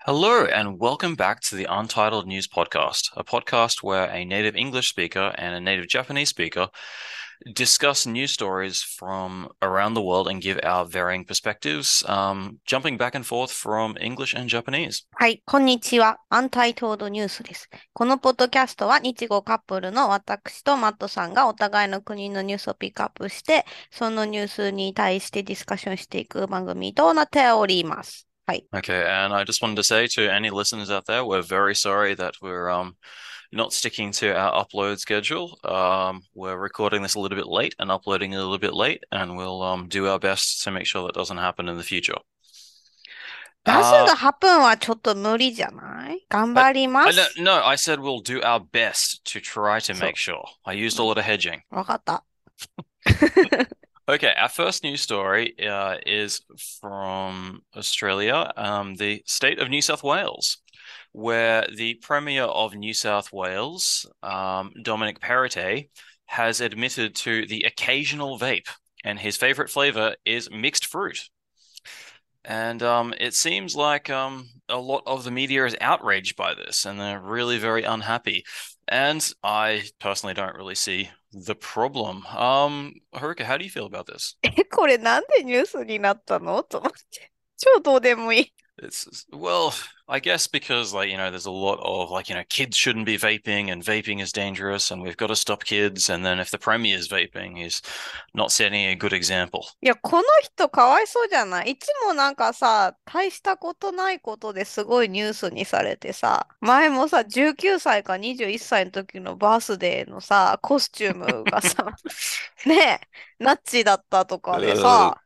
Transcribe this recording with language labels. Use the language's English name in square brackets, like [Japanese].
[English] Hello, and welcome back to the Untitled News Podcast, a podcast where a native English speaker and a native Japanese speaker discuss news stories from around the world and give our varying perspectives, jumping back and forth from English and Japanese. [Japanese] はい、こんにちは。アンタイトードニュースです。このポッドキャストは日語カップルの私とマットさんがお互いの国のニュースをピックアップして、そのニュースに対してディスカッションしていく番組となっております。はい。 [English] Okay, and I just wanted to say to any listeners out there, we're very sorry that we're not sticking to our upload schedule. We're recording this a little bit late and uploading a little bit late, and we'll do our best to make sure that doesn't happen in the future. Doesn't happen [Japanese] はちょっと無理じゃない？頑張ります。 [English] No, I said we'll do our best to try to make [Japanese] そ [English] sure. I used a [Japanese] う。 [English] lot of hedging. [Japanese] わかった。 [English] Okay, our first news story is from Australia, the state of New South Wales, where the Premier of New South Wales, Dominic Perrottet, has admitted to the occasional vape, and his favorite flavor is mixed fruit. And it seems like a lot of the media is outraged by this, and they're really very unhappy. And I personally don't really see the problem. Haruka, how do you feel about this? [Japanese] これなんでニュースになったの？と思って。超どうでもいい。 [English] It's well, I guess because there's a lot of kids shouldn't be vaping and vaping is dangerous and we've got to stop kids. And then if the premier is vaping, he's not setting a good example. [Japanese] いや、この人かわいそうじゃない？いつもなんかさ、大したことないことですごいニュースにされてさ、前もさ、19歳か21歳の時のバースデーのさ、コスチュームがさ、ねえ、ナッチだったとかでさ、